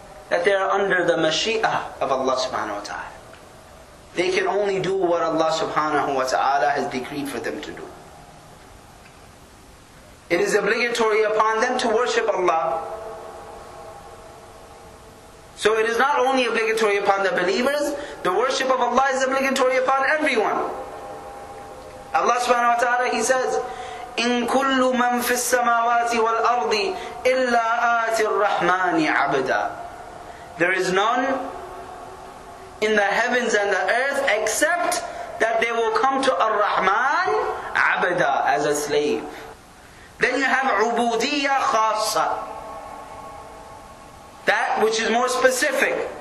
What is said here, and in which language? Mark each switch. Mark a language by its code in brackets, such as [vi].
[en] That they are under the mashi'ah of Allah subhanahu wa ta'ala. They can only do what Allah subhanahu wa ta'ala has decreed for them to do. It is obligatory upon them to worship Allah. So it is not only obligatory upon the believers, the worship of Allah is obligatory upon everyone. Allah subhanahu wa ta'ala, He says, [ar] إِن كُلُّ مَن فِي السَّمَاوَاتِ وَالْأَرْضِ إِلَّا آتِ الرَّحْمَانِ عَبْدًا. [en] There is none in the heavens and the earth except that they will come to Ar-Rahman عَبْدًا, as a slave. Then you have [ar] عُبُودِيَّ خَاصَّة, [en] that which is more specific.